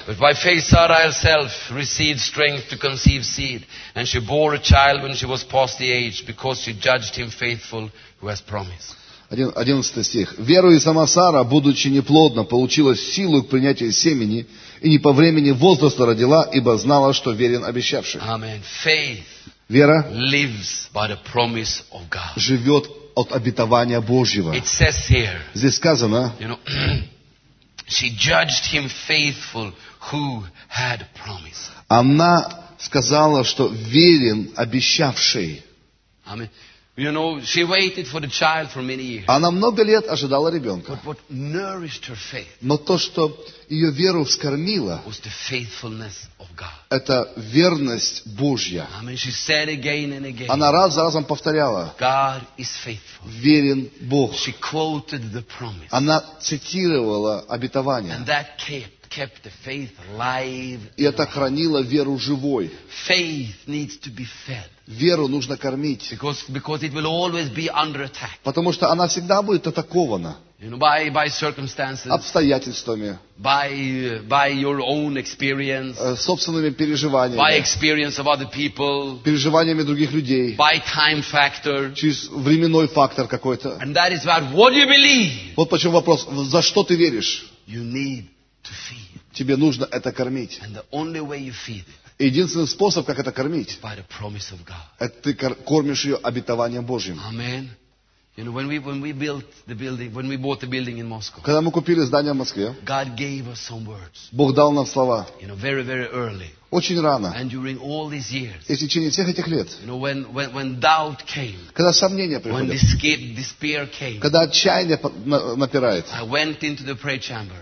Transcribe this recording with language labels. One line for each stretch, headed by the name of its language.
English: But by faith Sarah herself received strength to conceive seed, and she bore a child when she was past the age, because she judged him faithful who has promised.
Russian: 11 стих. Верою сама Сара, будучи неплодна, получила силу к принятию семени, и не по времени возраста родила, ибо знала, что верен обещавший.
English: Amen. Faith.
Russian: Вера.
English: Lives by the promise of God.
Russian: Живет от обетования Божьего.
English: It says here,
Russian: здесь сказано,
English: you know, she judged him faithful who had promised.
Russian: Она сказала, что верен обещавший.
English: I mean, you know, she waited for the child for many years.
Russian: Она много лет ожидала ребенка.
English: But what nourished her faith,
Russian: но то, что ее веру вскормило,
English: was the faithfulness of God.
Russian: Это верность Божья.
English: I mean, she said again and again,
Russian: она раз за разом повторяла,
English: God is faithful.
Russian: Верен Бог.
English: She quoted the promise.
Russian: Она цитировала обетование.
English: And that kept kept the faith alive.
Russian: И это хранило веру живой.
English: Faith needs to be fed.
Russian: Веру нужно кормить.
English: Because it will always be under attack.
Russian: Потому что она всегда будет атакована.
English: You know, by circumstances.
Russian: Обстоятельствами.
English: By your own experience.
Russian: Собственными переживаниями.
English: By experience of other people.
Russian: Переживаниями других людей.
English: By time factor.
Russian: Через временной фактор какой-то.
English: And that is about what you believe.
Russian: Вот почему вопрос: за что ты веришь?
English: You need to feed.
Russian: Тебе нужно это кормить.
English: And the only way you feed.
Russian: Единственный способ, как это кормить,
English: by the promise of God.
Russian: Это ты кормишь ее обетованием Божьим.
English: Amen. You know, when we built the building, when we bought the building in Moscow.
Russian: Когда мы купили здание в Москве.
English: God gave us some words.
Russian: Бог дал нам слова.
English: You know, very, very early.
Russian: Очень рано.
English: And during all these years.
Russian: И в течение всех этих лет.
English: You know, when doubt came.
Russian: Когда сомнения приходят.
English: When despair came.
Russian: Когда отчаяние напирает.
English: I went into the prayer chamber.